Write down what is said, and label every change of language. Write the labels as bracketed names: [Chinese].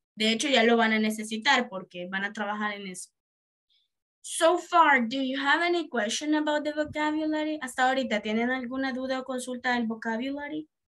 [Spanish] De hecho, ya lo van a necesitar porque van a trabajar en eso. [English] So far, do you have any question about the vocabulary? [Spanish] Hasta ahorita, ¿tienen alguna duda o consulta del vocabulary?